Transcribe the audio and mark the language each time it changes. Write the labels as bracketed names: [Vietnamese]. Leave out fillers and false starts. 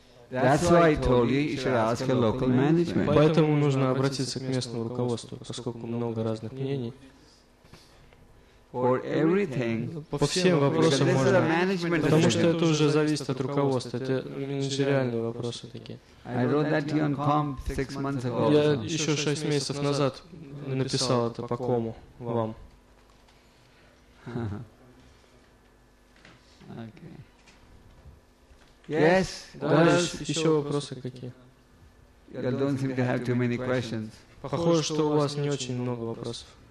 [English] That's why I told you you should ask your local management. [Russian] Поэтому нужно обратиться к местному руководству, поскольку много разных мнений. [English] For everything. [Russian] По всем вопросам можно. Потому что это уже зависит от руководства. Это менеджериальные вопросы такие. [English] I wrote that to you on COM 6 months ago. [Russian] Я еще 6 месяцев назад написал это по кому вам. [English] Okay. Yes. [Russian] Да, еще вопросы какие? [English] You don't seem to have too many questions. [Russian] Похоже, что у вас не очень много вопросов.